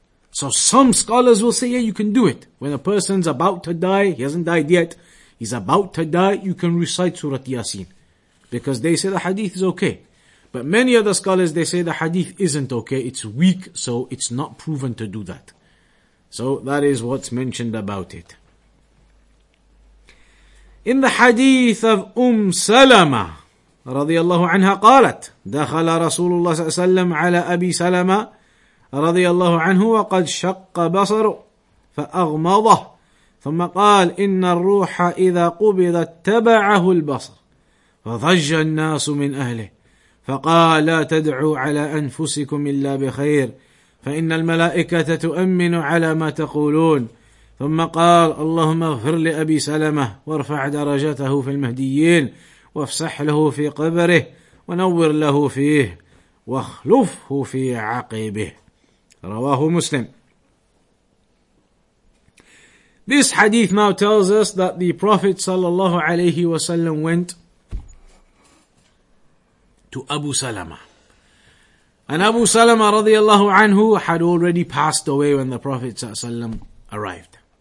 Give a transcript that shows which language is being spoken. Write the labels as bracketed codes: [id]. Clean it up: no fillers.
[en] So some scholars will say, yeah, you can do it. When a person's about to die, he hasn't died yet, he's about to die, you can recite Surah Yasin. Because they say the hadith is okay. But many other scholars, they say the hadith isn't okay, it's weak, so it's not proven to do that. So that is what's mentioned about it. In the hadith of Salama, [ar] رضي الله عنها قالت دخل رسول الله صلى الله عليه وسلم على أبي سلمة رضي الله عنه وقد شق بصره فأغمضه ثم قال إن الروح إذا قبض تبعه البصر فضج الناس من أهله فقال لا تدعوا على أنفسكم إلا بخير فإن الملائكة تؤمن على ما تقولون ثم قال اللهم اغفر لأبي سلمة وارفع درجته في المهديين وافسح له في قبره ونور له فيه واخلفه في عقبه رواه مسلم. [en] This hadith now tells us that the Prophet sallallahu alayhi wa sallam went to Abu Salama. And Abu Salama radiallahu anhu had already passed away when the Prophet sallallahu alayhi wa sallam arrived.